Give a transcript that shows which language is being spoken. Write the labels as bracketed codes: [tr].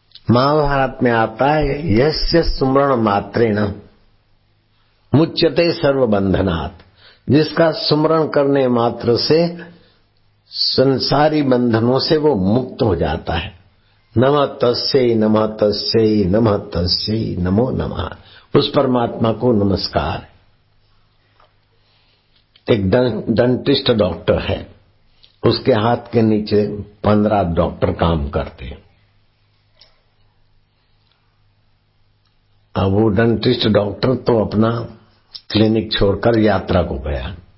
[hi] महाभारत में आता है, [sa] यस्य स्मरण मात्रेण मुच्यते सर्व बंधनात्, [hi] जिसका स्मरण करने मात्र से संसारी बंधनों से वो मुक्त हो जाता है। [sa] नमः तस्यै नमः तस्यै नमः तस्यै नमो नमः, [hi] उस परमात्मा को नमस्कार। एक डेंटिस्ट डॉक्टर है, उसके हाथ के नीचे 15 डॉक्टर काम करते हैं। अब वो डेंटिस्ट डॉक्टर तो अपना क्लिनिक छोड़कर यात्रा को गया।